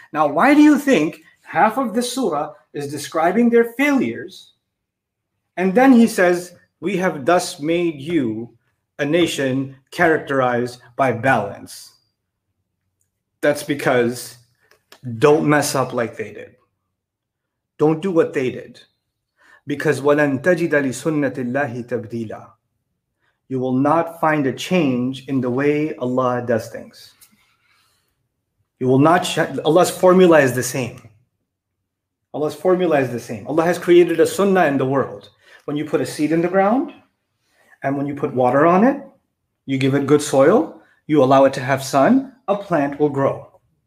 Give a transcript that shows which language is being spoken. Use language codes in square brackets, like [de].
[en] Now, why do you think half of this surah is describing their failures? And then He says, we have thus made you a nation characterized by balance. That's because don't mess up like they did. Don't do what they did. [ar] Because وَلَن تَجِدَ لِسُنَّةِ اللَّهِ تَبْدِيلًا. [en] You will not find a change in the way Allah does things. You will not. Allah's formula is the same. Allah's formula is the same. Allah has created a sunnah in the world. When you put a seed in the ground, and when you put water on it, you give it good soil, you allow it to have sun, a plant will grow.